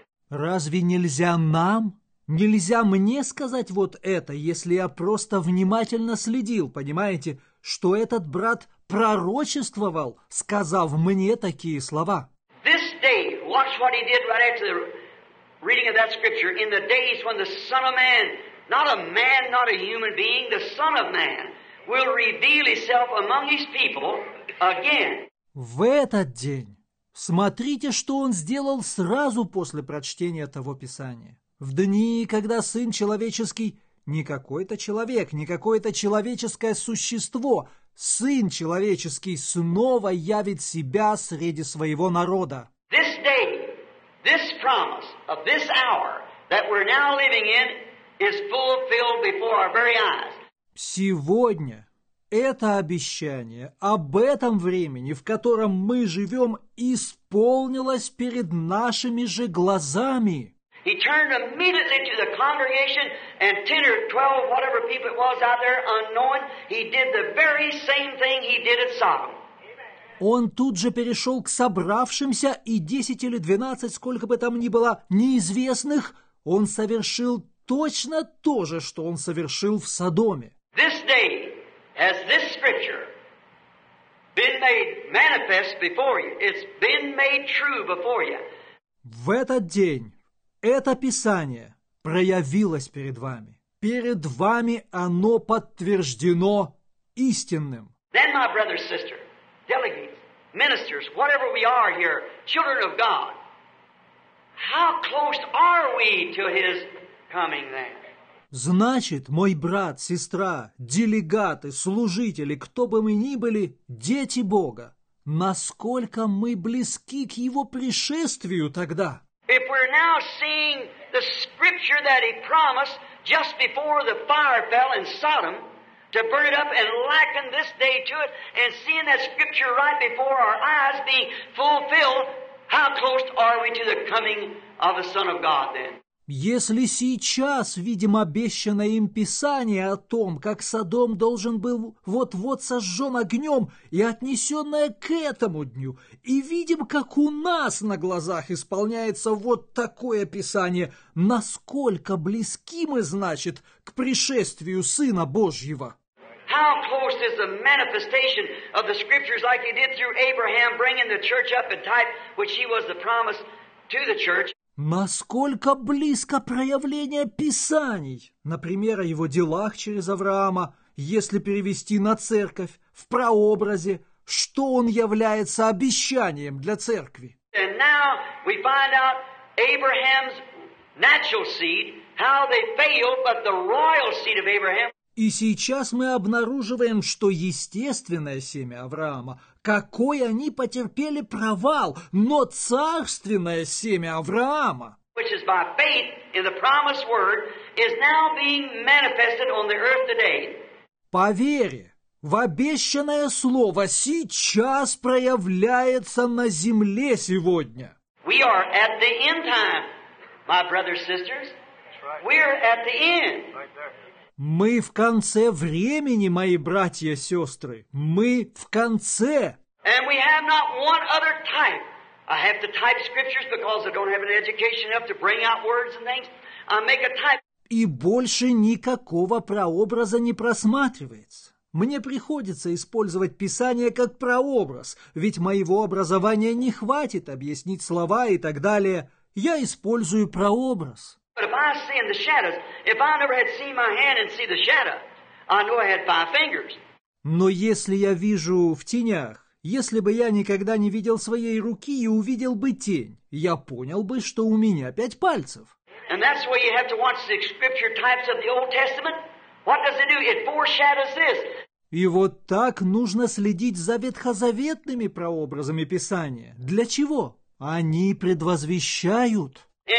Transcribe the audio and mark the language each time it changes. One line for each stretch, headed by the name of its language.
Russian: Разве нельзя нам? Нельзя мне сказать вот это, если я просто внимательно следил, понимаете, что этот брат пророчествовал, сказав мне такие слова.
English: This day, watch what he did right after the reading of that scripture, in the days when the Son of Man, not a human being, the Son of Man, will reveal himself among his people again.
Russian: В этот день, смотрите, что он сделал сразу после прочтения того Писания. В дни, когда Сын Человеческий, не какой-то человек, не какое-то человеческое существо, Сын Человеческий снова явит себя среди своего народа.
English: This day, this promise of this hour that we're now living in is fulfilled before our very eyes.
Russian: Сегодня это обещание об этом времени, в котором мы живем, исполнилось перед нашими же глазами.
English: He turned immediately to the congregation and 10 or 12, whatever people it was out there, unknown. He did the very same thing he did at Sodom.
Russian: Он тут же перешел к собравшимся, и 10 или 12, сколько бы там ни было, неизвестных, он совершил точно то же, что он совершил в Содоме.
English: This day has this scripture been made manifest before you. It's been made true before you.
Russian: В этот день это Писание проявилось перед вами. Перед вами оно подтверждено истинным.
English: Then, my brothers, sisters, delegates, ministers, whatever we are here, children of God, how close are we to His coming then?
Russian: Значит, мой брат, сестра, делегаты, служители, кто бы мы ни были, дети Бога, насколько мы близки к Его пришествию тогда?
English: If we're now seeing the scripture that he promised just before the fire fell in Sodom to burn it up and liken this day to it, and seeing that scripture right before our eyes being fulfilled, how close are we to the coming of the Son of God then?
Russian: Если сейчас видим обещанное им Писание о том, как Содом должен был вот-вот сожжен огнем и отнесенное к этому дню, и видим, как у нас на глазах исполняется вот такое Писание, насколько близки мы, значит, к пришествию Сына Божьего?
English: How close is the manifestation of the scriptures like he did through Abraham bringing the church up in type, which he was the promise to the church?
Russian: Насколько близко проявление Писаний, например, о его делах через Авраама, если перевести на церковь, в прообразе, что он является обещанием для церкви.
English: And now we find out Abraham's natural seed, how they failed, but the royal seed of Abraham.
Russian: И сейчас мы обнаруживаем, что естественное семя Авраама, какой они потерпели провал, но царственное семя Авраама,
English: which is by faith in the promised word, is now being manifested on the earth today.
Russian: По вере в обещанное слово сейчас проявляется на земле сегодня.
English: We are at the end time, my brothers and sisters. We are at the end. Right there.
Russian: Мы в конце времени, мои братья и сестры. Мы в конце.
English: And we have not one other type. I have to type scriptures because I don't have an education enough to bring out words and things. I make a type.
Russian: И больше никакого прообраза не просматривается. Мне приходится использовать Писание как прообраз, ведь моего образования не хватит объяснить слова и так далее. Я использую прообраз.
English: But if I see in the shadows, if I never had seen my hand and see the shadow, I know I had five fingers.
Russian: Но если я вижу в тенях, если бы я никогда не видел своей руки и увидел бы тень, я понял бы, что у меня пять пальцев.
English: And that's why you have to watch the scripture types of the Old Testament. What does it do? It foreshadows this.
Russian: И вот так нужно следить за ветхозаветными прообразами Писания. Для чего? Они предвозвещают.